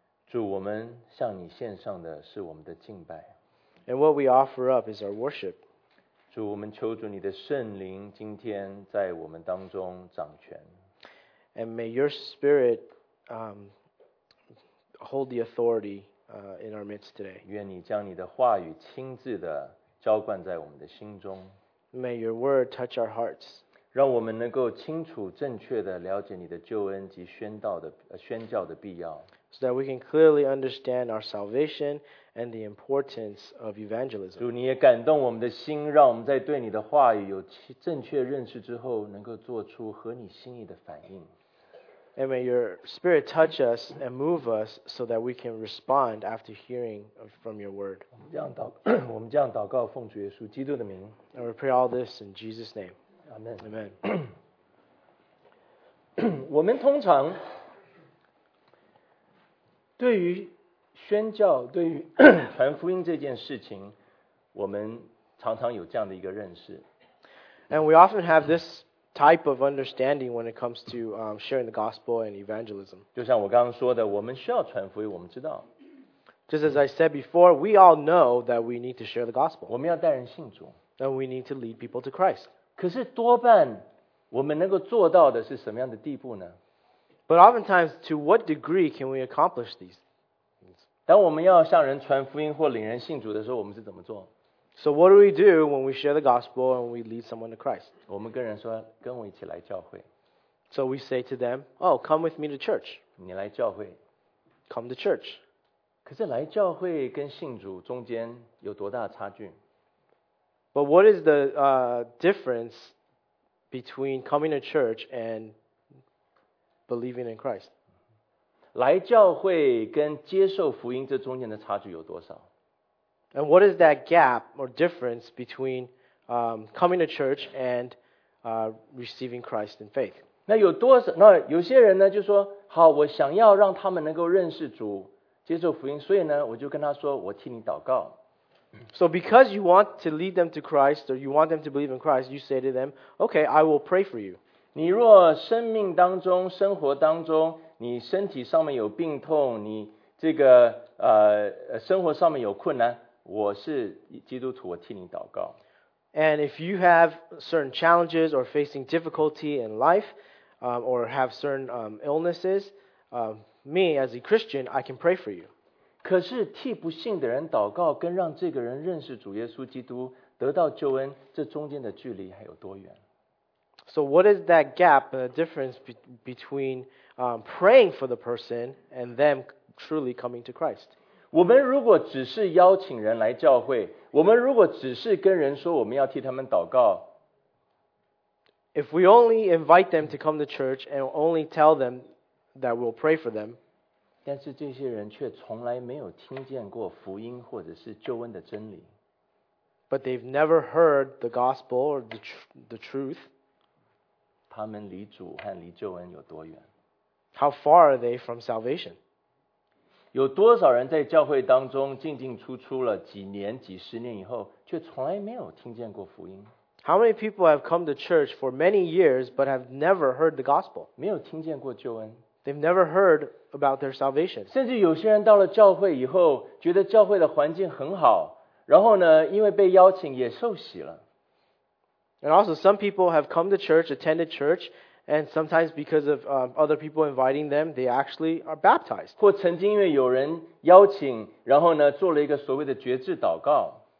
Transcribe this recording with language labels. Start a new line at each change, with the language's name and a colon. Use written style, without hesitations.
Chinese: 主，我们向你献上的是我们的敬拜。
English: And what we offer up is our worship.
Chinese: 主，我们求主你的圣灵今天在我们当中掌权。
English: And may your spirit hold the authority in our midst today.
Chinese: 愿你将你的话语亲自的浇灌在我们的心中。
English: May your word touch our hearts.
Chinese: 让我们能够清楚正确的了解你的救恩及宣道的宣教的必要。
English: So that we can clearly understand our salvation and the importance of evangelism.
Chinese: 主，你也感动我们的心，让我们在对你的话语有正确认识之后，能够做出合你心意的反应。
English: And may your spirit touch us and move us so that we can respond after hearing from your word.
Chinese: 我们这样祷告，奉主耶稣基督的名。
English: And we pray all this in Jesus' name. Amen. Amen.
Chinese: 我们通常对于宣教，对于传福音这件事情，我们常常有这样的一个认识。
English: And we often have this type of understanding when it comes to sharing the gospel and evangelism.
Chinese: 就像我刚刚说的，我们需要传福音，我们知道。
English: Just as I said before, we all know that we need to share the gospel.
Chinese: 我们要带人信主。
English: And we need to lead people to Christ.
Chinese: 可是多半我们能够做到的是什么样的地步呢？
English: But oftentimes, to what degree can we accomplish these things?
Chinese: 当我们要向人传福音或领人信主的时候，我们是怎么做？
English: So what do we do when we share the gospel and we lead someone to Christ?
Chinese: 我们跟人说，跟我一起来教会。
English: So we say to them, oh, come with me to church.
Chinese: 你来教会。
English: Come to church.
Chinese: 可是来教会跟信主中间有多大差距？
English: But what is the difference between coming to church and believing in Christ.
Chinese: 来教会跟接受福音这中间的差距有多少？
English: And what is that gap or difference between coming to church and receiving Christ in faith?
Chinese: 那有多少？那有些人呢就说，好，我想要让他们能够认识主，接受福音，所以呢，我就跟他说，我替你祷告。
English: So because you want to lead them to Christ or you want them to believe in Christ, you say to them, okay, I will pray for you.
Chinese: 你若生命当中、生活当中，你身体上面有病痛，你这个生活上面有困难，我是基督徒，我替你祷告。
English: And if you have certain challenges or facing difficulty in life, or have certain illnesses, me as a Christian, I can pray for you.
Chinese: 可是替不信的人祷告，跟让这个人认识主耶稣基督，得到救恩，这中间的距离还有多远？
English: So what is that gap, the difference between praying for the person and them truly coming to Christ?
Chinese: 我们如果只是邀请人来教会，我们如果只是跟人说我们要替他们祷告，
English: If we only invite them to come to church and only tell them that we'll pray for them,
Chinese: 但是这些人却从来没有听见过福音或者是救恩的真理。
English: But they've never heard the gospel or the truth.
Chinese: 他们离主和离救恩有多远？
English: How far are they from salvation?
Chinese: 有多少人在教会当中进进出出了几年、几十年以后，却从来没有听见过福音？
English: How many people have come to church for many years but have never heard the gospel?
Chinese: 没有听见过救恩。
English: They've never heard about their salvation.
Chinese: 甚至有些人到了教会以后，觉得教会的环境很好，然后呢，因为被邀请也受洗了。
English: And also, some people have come to church, attended church, and sometimes because of other people inviting them, they actually are baptized.
Chinese: 或曾经因为有人邀请，然后呢，做了一个所谓的决志祷告。